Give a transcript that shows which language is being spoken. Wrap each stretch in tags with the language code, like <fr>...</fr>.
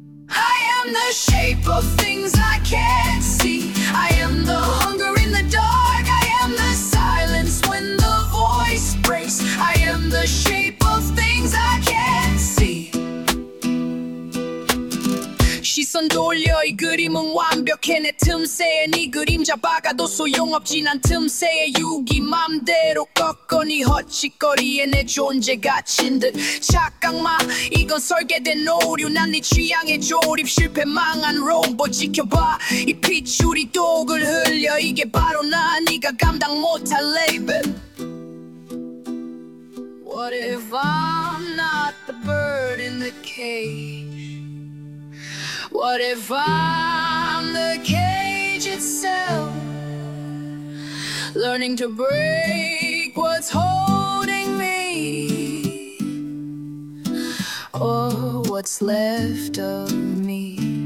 <en>I am the shape of things I can't see. I am the hunger in the dark. I am the silence when the voice breaks. I am the shape of things I can't see. She sent all your</en> <ko>그림은 완벽해 내 틈새에 네 그림자 박아도 소용없지 난 틈새에 유기 맘대로 꺾어 네 헛짓거리에 내 존재 갇힌 듯 착각 마 이건 설계된 오류 난 네 취향에 조립 실패 망한 로봇 지켜봐 이 핏줄이 독을 흘려 이게 바로 나 네가 감당 못할 레이블.</ko> <en>What if I'm not the bird in the cage? What if I'm the cage itself? Learning to break what's holding me, or what's left of me.</en>